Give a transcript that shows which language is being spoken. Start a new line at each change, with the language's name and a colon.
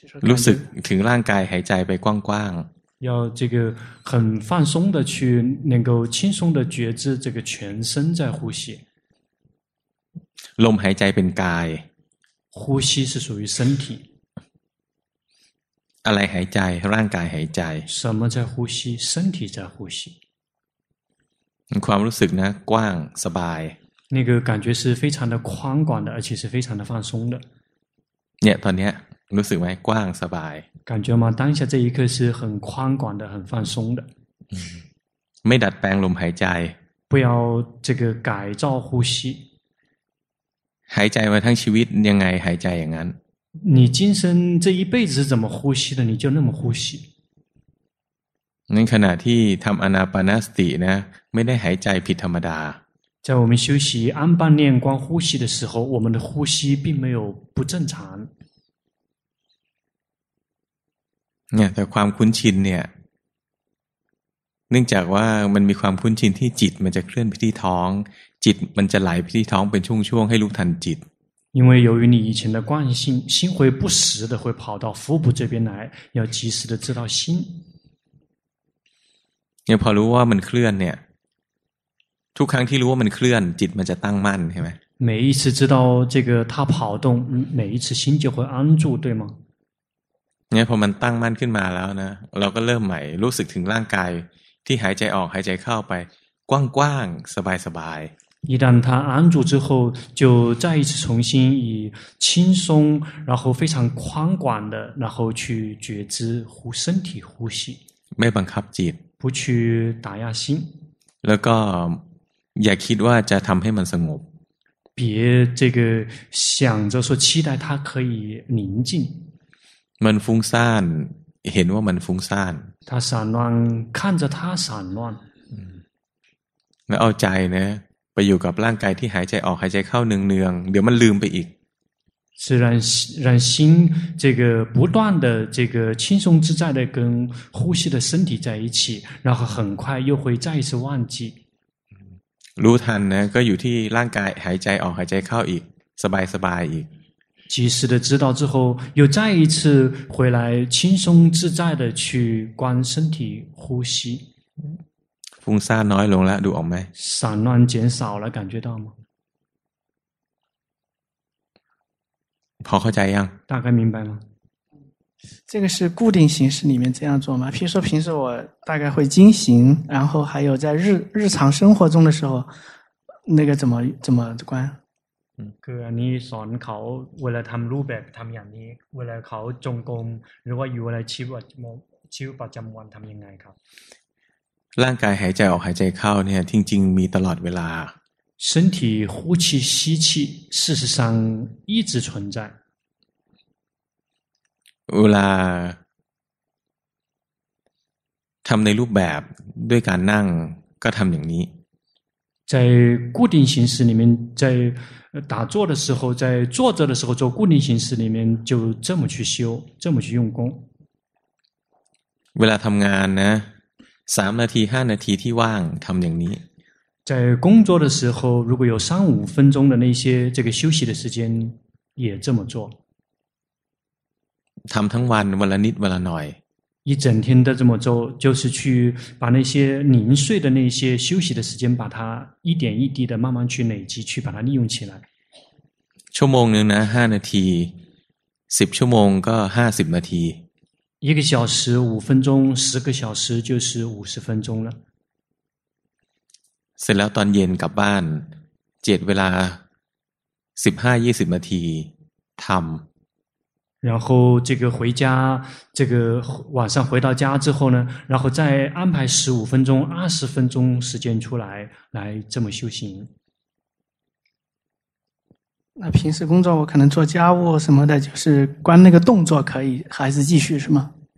Thai: รู้สึกถึงร่างกายหายใจไปกว้าง
Chinese: ๆ要这个很放松的去能够轻松的觉知这个全身在呼吸
Thai: ลมหายใจเป็นกาย
Chinese: 呼吸是属于身体
Thai: อะไรหายใจร่างกายหายใจ
Chinese: 什么在呼吸身体在呼吸
Thai: ความรู้สึกนะกว้างสบาย
Chinese: 那个感觉是非常的宽广的而且是非常的放松的
Thai: เนี่ยตอนนี้รู้สึกไหมกว้างสบาย
Chinese: 感觉吗当下这一刻是很宽广的很放松的
Thai: ไม่ดัดแปลงลมหายใจ
Chinese: 不要这个改造呼吸
Thai: หายใจมาทั้งชีวิตยังไงหายใจอย่างนั้น
Chinese: 你今生这一辈子怎么呼吸的你就那么呼吸
Thai: นั้นขณะที่ทำอนาปานสตินะไม่ได้หายใจผิดธรรมดา
Chinese: 在我们修习安般念观呼吸的时候我们的呼吸并没有不正常
Thai: เนี่ยแต่ความคุ้นชินเนี่ยเนื่องจากว่ามันมีความคุ้นชินที่จิตมันจะเคลื่อนไปที่ท้องจิตมันจะไหลไปที่ท้องเป็นช่วงๆให้รู้ทันจิต
Chinese: 因为由于你以前的惯性心会不时的会跑到腹部这边来要及时的知道心
Thai: เนี่ยพอรู้ว่ามันเคลื่อนเนี่ยทุกครั้งที่รู้ว่ามันเคลื่อนจิตมันจะตั้งมั่นใช่ไหม
Chinese: 每一次知道这个它跑动每一次心就会安住对吗
Thai: เนี่ยพอมันตั้งมั่นขึ้นมาแล้วนะเราก็เริ่มใหม่รู้สึกถึงร่างกายที่หายใจออกหายใจเข้าไปกว้างๆสบายสบาย
Chinese: 一旦他安住之后就再一次重新以轻松然后非常宽广的然后去觉知呼身体呼吸
Thai: ไม่บังคับจิต
Chinese: 不去打压心
Thai: แล้วก็อย่าคิดว่าจะทำให้มันสงบ
Chinese: 别这个想着说期待它可以宁静
Thai: มันฟุ้งซ่านเห็นว่ามันฟุ้งซ่าน
Chinese: ถ้า散乱看着它散乱
Thai: แล้วเอาใจนะไปอยู่กับร่างกายที่หายใจออกหายใจเข้าเนืองๆเดี๋ยวมันลืมไปอีก
Chinese: 是让心这个不断的这个轻松自在的跟呼吸的身体在一起然后很快又会再次忘记
Thai: รู้ทันนะก็อยู่ที่ร่างกายหายใจออกหายใจเข้าอีกสบายสบายอีก
Chinese: 及时的知道之后又再一次回来轻松自在的去观身体呼吸
Thai: ฟุ้งซ่านน้อยลงแล้วดูออกไหม
Chinese: 散乱减少了感觉到吗
Thai: พอเข้าใจยัง
Chinese: 大概明白吗这个是固定形式里面这样做吗譬如说平时我大概会经行然后还有在日常生活中的时候那个怎么观
Thai: คืออันนี้สอนเขาเวลาทำรูปแบบทำอย่างนี้เวลาเขาจงกรมหรือว่าอยู่อะไรชีวิตประจำวันทำยังไงครับ ร่างกายหายใจออกหายใจเข้าเนี่ยจริงๆมีตลอดเวลา
Chinese: 身体呼气吸气事实上一直存在
Thai: เวลาทำในรูปแบบด้วยการนั่งก็ทำอย่างนี้
Chinese: 在固定形式里面在打坐的时候在坐着的时候做固定形式里面就这么去修这么去用功
Thai: เวลาทำงานนะ3นาที5นาทีที่ว่างทำอย่างนี้
Chinese: 在工作的时候如果有三五分钟的那些这个休息的时间也这么做
Thai: ทำทั้งวันวันละนิดวันละหน่อย
Chinese: 一整天都这么做就是去把那些零碎的那些休息的时间把它一点一滴的慢慢去累积去把它利用起来
Thai: ชั่วโมงนึงนะ5นาที10ชั่วโมงก็50นาที
Chinese: 一个小时5分钟10个小时就是50分钟了
Thai: เสร็จแล้วตอนเย็นกลับบ้าน7เวลา 15-20 นาทีทำ
Chinese: 然后这个回家这个晚上回到家之后呢然后再安排15分钟、20分钟时间出来来这么修行那平时工作我可能做家务什么的就是关那个动作可以还是继续是吗